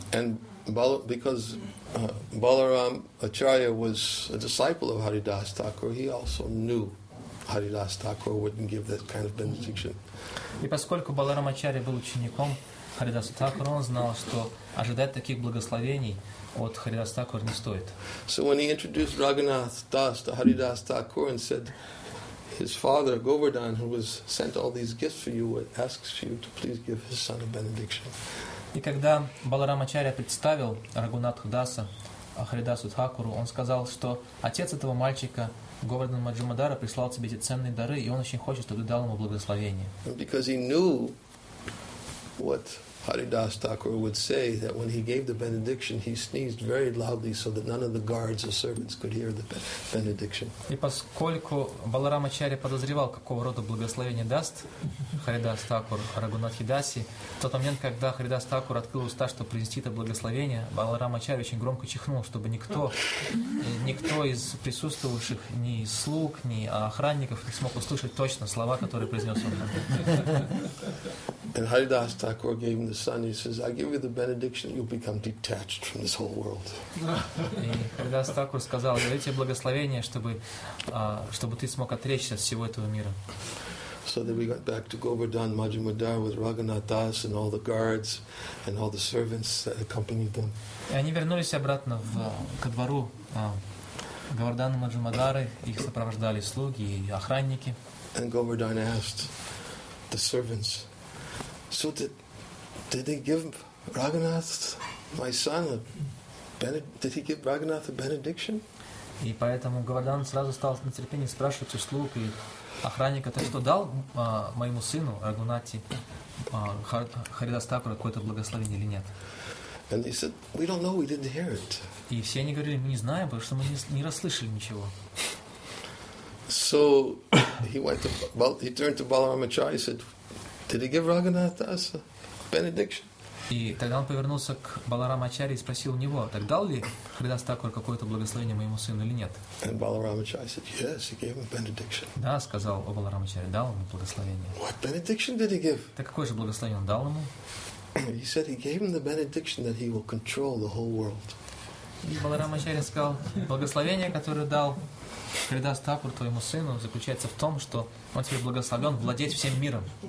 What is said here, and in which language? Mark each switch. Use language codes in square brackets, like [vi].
[en] And because Balaram Acharya was a disciple of Haridas Thakur, he also knew Haridas Thakur wouldn't give that kind of benediction. [ru] И поскольку Баларам Ачарья был учеником Харидаса Такура, он знал, что ожидать таких благословений от Харидаса Такура не стоит. [en] So when he introduced Raghunath Das to Haridas Thakur and said, his father Govardhan, who was sent all these gifts for you, asks you to please give his son a benediction. [ru] И когда Баларам Ачарья представил Рагунатху Даса Харидасу Такуру, он сказал, что отец этого мальчика Говардан Маджумадара прислал тебе эти ценные дары, и он очень хочет, чтобы ты дал ему благословение. [en] Because he knew what Haridas Thakur would say, that when he gave the benediction, he sneezed very loudly so that none of the guards or servants could hear the benediction. [ru] И поскольку Баларам Ачарья подозревал, какого рода благословение даст Харидас Такур Рагунатхи Дасе, в тот момент, когда Харидас Такур открыл уста, чтобы принести это благословение, Баларам Ачарья очень громко чихнул, чтобы никто из присутствовавших, ни слуг, ни охранников, не смог услышать точно слова, которые произнес он. [en] And Haridas Thakur gave him the son. He says, "I give you the benediction. You'll become detached from this whole world." [ru] Haridas Thakur сказал, "Даю тебе благословение, чтобы ты смог отречься от всего этого мира." [en] So then we went back to Govardhan Majumdar with Raghunath Das and all the guards and all the servants that accompanied them. [ru] И они вернулись обратно в ко двору Говардхана Маджумадары. Их сопровождали слуги и охранники. [en] And Govardhan asked the servants, "So did they give Raghunath, my son, a benediction?" [ru] И поэтому Говардан сразу стал с нетерпением спрашивать у слуг и охранника, то что дал моему сыну Рагунати Харидас Такура какое-то благословение или нет. [en] And they said, "We don't know. We didn't hear it." [ru] И все они говорили, мы не знаем, потому что мы не расслышали ничего. [en] So he turned to Balaram Acharya and said, "Did he give Raghunath Das a benediction?" [ru] И тогда он повернулся к Баларам Ачарье и спросил у него, так дал ли Харидас Такур какое-то благословение моему сыну или нет? [en] And Balaram Acharya said, "Yes, he gave him a benediction." [ru] Да, сказал Баларам Ачарья, дал ему благословение. [en] What benediction did he give? [ru] Так какое же благословение он дал ему? [en] He said he gave him the benediction that he will control the whole world. [ru] И Баларам Ачарья сказал, благословение, которое дал Харидас Такур твоему сыну, заключается в том, что он тебе благословен владеть всем миром.